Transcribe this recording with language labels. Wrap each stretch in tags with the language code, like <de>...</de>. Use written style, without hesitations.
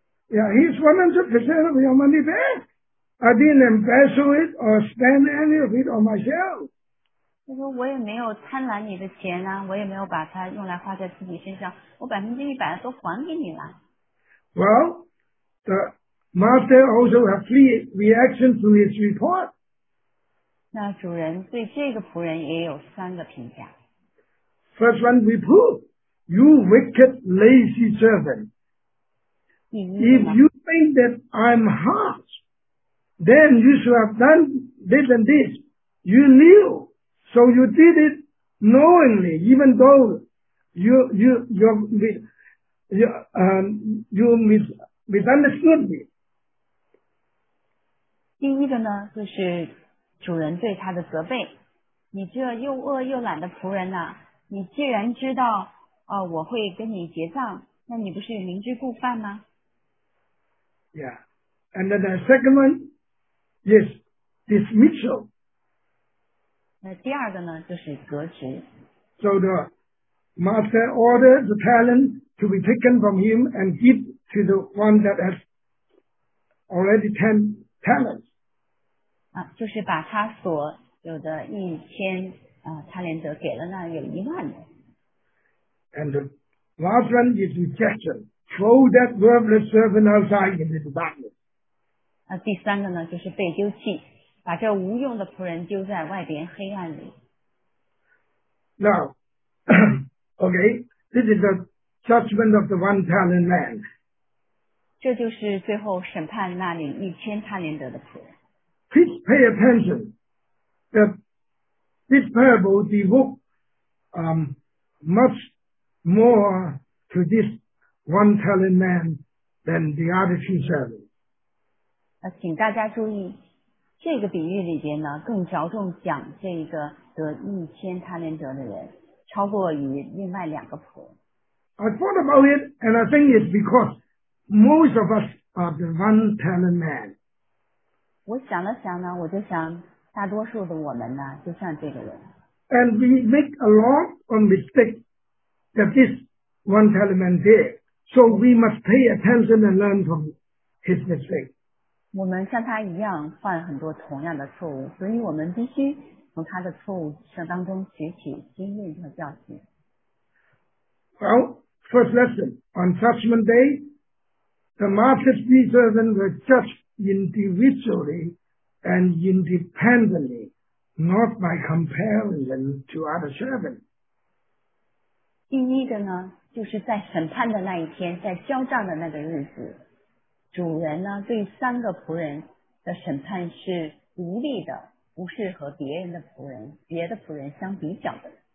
<en>Yeah, he's 100% of your money back. I didn't embezzle it or spend any of it on myself.</en> <zh>他说我也没有贪婪你的钱啊，我也没有把它用来花在自己身上，我100%都还给你了。</zh> <en>Well, the master also had a reaction to his report.</en> <zh>那主人对这个仆人也有三个评价。</zh> <en>First one reproof, you wicked, lazy servant. If you think that I'm harsh, then you should have done this and this. You knew, so you did it knowingly, even though you misunderstood me.</en> <zh>第一个呢，就是主人对他的责备。你这又饿又懒的仆人呐、啊，你既然知道我会跟你结账，那你不是明知故犯吗</zh> <en>？Yeah, and then the second one, yes, dismissal.</en> <zh>那第二个呢，就是革职。</zh> <en>So the master ordered the talent to be taken from him and give to the one that has already 10 talents.</en> <zh>啊，就是把他所有的1000。他连德给了那有10000的。</zh> <en>And the last one is rejection. Throw that worthless servant outside into the darkness.</en> <zh>第三个呢，就是被丢弃，把这无用的仆人丢在外边黑暗里。</zh> <en>Now, okay, this is the judgment of the 1 talent man.</en> <zh>这就是最后审判那里1000他连德的仆人。</zh> <en>Please pay attention. This parable devote much more to this 1 talent man than the other 2 servants.</en> <zh>请大家注意，这个比喻里边呢，更着重讲这个得1000他连德的人，超过于另外两个仆人。</zh> <en>I thought about it, and I think it's because most of us are the 1 talent man.</en> <zh>我想了想呢，我就想。大多数的我们呢，就像这个人。</zh> <en>And we make a lot of mistakes that this 1 talent man did, so we must pay attention and learn from his mistake.</en> <zh>我们像他一样犯很多同样的错误，所以我们必须从他的错误当中学习经验和教训。</zh> <en>Well, first lesson on judgment day, the master's servant was judged individually. And independently, not by comparison to other servants.</en> <zh>第一个呢，就是在审判的那一天，在交账的那个日子，主人呢对三个仆人的审判是独立的，不是和别人的仆人、别的仆人相比较的。</zh>